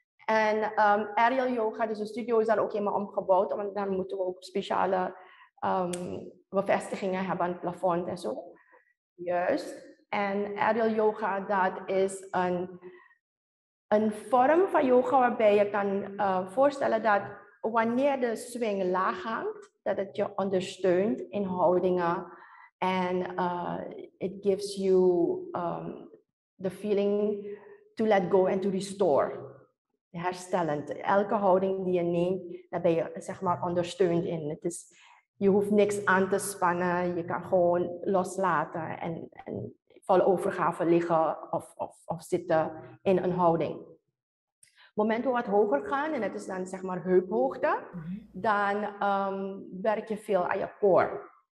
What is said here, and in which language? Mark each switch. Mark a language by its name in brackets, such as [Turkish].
[Dutch] En aerial yoga, dus de studio is daar ook helemaal omgebouwd, want dan moeten we ook speciale bevestigingen hebben aan het plafond en zo. Juist. En aerial yoga, dat is een vorm van yoga waarbij je kan voorstellen dat wanneer de swing laag hangt, dat het je ondersteunt in houdingen. [English] En it gives you the feeling to let go and to restore. [Dutch] Herstellend. Elke houding die je neemt, daar ben je zeg maar ondersteund in. Het is, je hoeft niks aan te spannen, je kan gewoon loslaten en volle overgave liggen of zitten in een houding. Op het moment dat we wat hoger gaan, en het is dan zeg maar heuphoogte, dan werk je veel aan je core.